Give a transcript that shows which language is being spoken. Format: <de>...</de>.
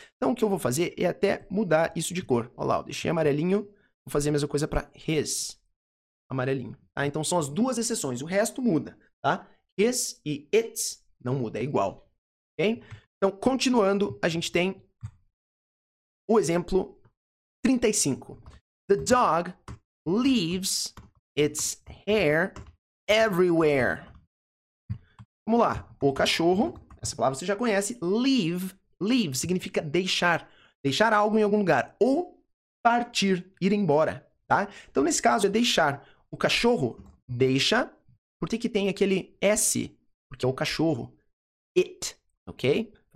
<pt>Então, o que eu vou fazer é até mudar isso de cor. Olha lá, ó. Deixei amarelinho, vou fazer a mesma coisa pra his. Amarelinho. Tá? Então, são as duas exceções. O resto muda, tá? His e its não muda, é igual. Ok? Então, continuando, a gente tem o exemplo 35.</pt> <en>The dog leaves its hair everywhere.</en> <pt>Vamos lá. O cachorro, essa palavra você já conhece, leave. Leave significa deixar. Deixar algo em algum lugar. Ou partir, ir embora, tá? Então, nesse caso, é deixar. O cachorro deixa, por que tem aquele S? Porque é o cachorro. It, ok?</pt>